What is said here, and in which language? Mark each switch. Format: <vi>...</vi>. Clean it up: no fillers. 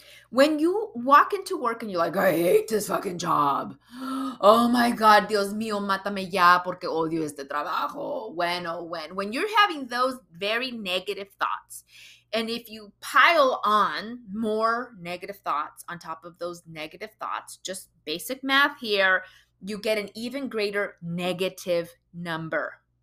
<en>When you walk into work and you're like, I hate this fucking job. Oh my God,</en> <es>Dios mío, mátame ya porque odio este trabajo.</es> <en>When, oh when. When you're having those very negative thoughts, and if you pile on more negative thoughts on top of those negative thoughts, just basic math here, you get an even greater negative number.</en>